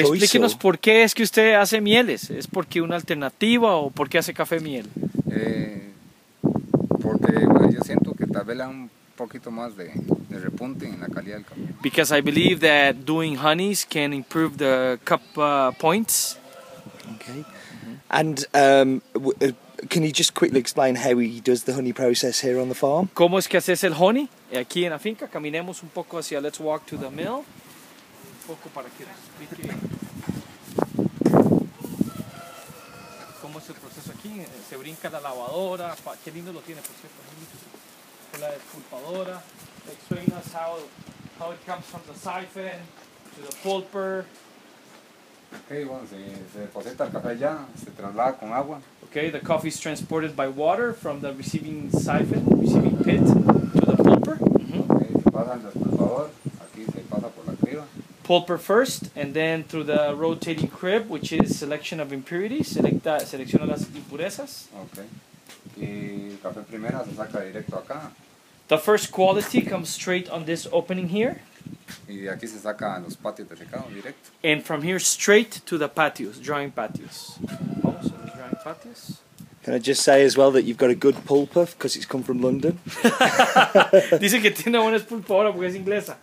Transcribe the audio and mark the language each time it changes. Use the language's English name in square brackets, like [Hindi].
[Spanish] Explíquenos por qué es que usted hace mieles. ¿Es porque una alternativa o por qué hace café miel? Porque bueno, yo siento que tal vez un poquito más de repunte en la calidad del café. [English] Because I believe that doing honeys can improve the cup points. Okay. Mm-hmm. And can you just quickly explain how he does the honey process here on the farm? [Spanish] ¿Cómo es que haces el honey aquí en la finca? Caminemos un poco hacia, [English] let's walk to the mill. [Spanish] Un poco para que explique cómo es el proceso aquí. Se brinca la lavadora. Qué lindo lo tiene, por cierto. La despulpadora. [English] Explain us how it comes from the siphon to the pulper. [Spanish] Okay, bueno, se deposita el café allá, se traslada con agua. [English] Okay, the coffee is transported by water from the receiving siphon, receiving pit, to the pulper. [Spanish] Okay, se pasa al despulpador, aquí se pasa por la criba. [English] Pulper first, and then through the rotating crib, which is selection of impurities, [Spanish] selecciona las impurezas. Okay, y el café primero se saca directo acá. [English] The first quality comes straight on this opening here. [Spanish] Y de aquí se saca los patios de secado directo. [English] And from here straight to the patios, drying patios. Also drying patios. Can I just say as well that you've got a good pulper because it's come from London? [Spanish] Dice que tiene buena pulpora porque es inglesa.